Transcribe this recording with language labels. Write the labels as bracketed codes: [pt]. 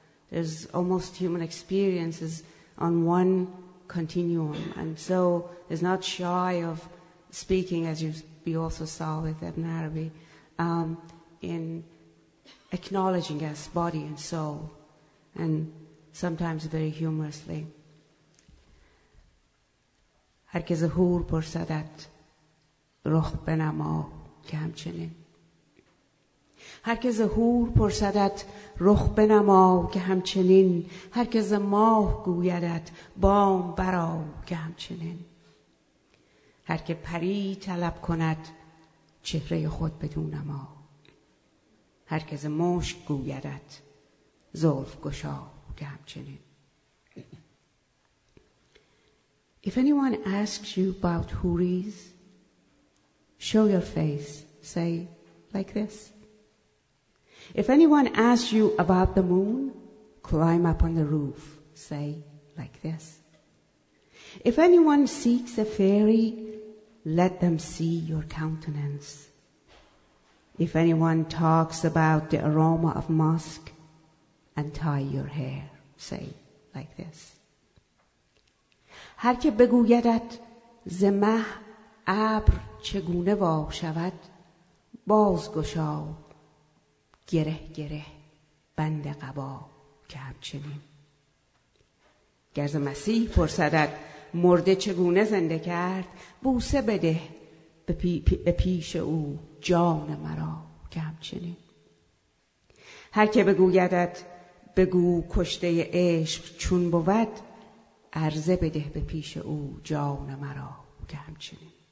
[en] There's almost human experiences on one continuum, and so is not shy of speaking, as we also saw with Ibn Arabi, in acknowledging us, body and soul, and sometimes very humorously. [fa] هر که ظهور پرسدت رخ بنما که همچنین هر که ظهور پرسدت رخ بنما که همچنین هر که ز ماه گویدت بام برا که همچنین هر که پری طلب کند چهره خود بدونما هر که ز مشک گویدت زلف گشا که همچنین. [en] If anyone asks you about huris, show your face, say, like this. If anyone asks you about the moon, climb up on the roof, say, like this. If anyone seeks a fairy, let them see your countenance. If anyone talks about the aroma of musk, untie your hair, say, like this. [fa] هر که بگویدت ز مه ابر چگونه وا شود باز گشا گره گره بند قبا که همچنین گر ز مسیح پرسدت مرده چگونه زنده کرد بوسه بده به پیش او جان مرا که همچنین هر که بگویدت بگو کشته عشق چون بود عرضه بده به پیش او جان مرا که همچنین.